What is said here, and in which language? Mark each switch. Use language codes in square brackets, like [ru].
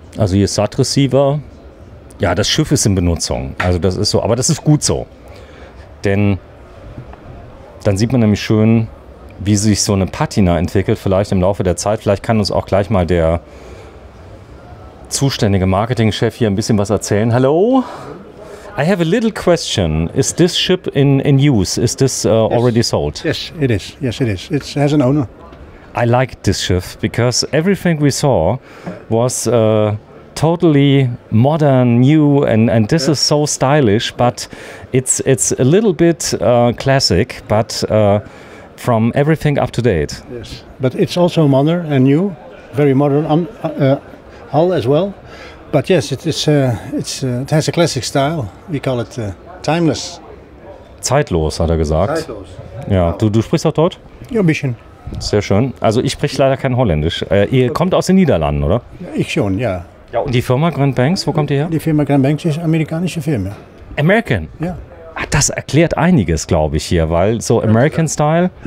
[de] Also hier ist SAT Receiver. Ja, das Schiff ist in Benutzung. Also das ist so. Aber das ist gut so. Denn dann sieht man nämlich schön, wie sich so eine Patina entwickelt, vielleicht im Laufe der Zeit. Vielleicht kann uns auch gleich mal der zuständige Marketingchef hier ein bisschen was erzählen. Hallo? [en] I have a little question. Is this ship in use? Is this already sold? Yes, it is. Yes, it is. It has an owner. I like this ship because everything we saw was totally modern, new, and this is so stylish, but it's a little bit classic, but from everything up to date. Yes, but it's also modern and new, very modern hull as well. But yes, it has a classic style. We call it timeless. [de] Zeitlos, hat er gesagt. Zeitlos. Ja, du sprichst auch Deutsch? Ja, ein bisschen. Sehr schön. Also ich spreche leider kein Holländisch. Ihr kommt aus den Niederlanden, oder? Ich schon, ja. Ja, und die Firma Grand Banks, wo kommt ihr her? Die Firma Grand Banks ist eine amerikanische Firma. [en] American? [de] Ja. Ach, das erklärt einiges, glaube ich, hier, weil so American Style?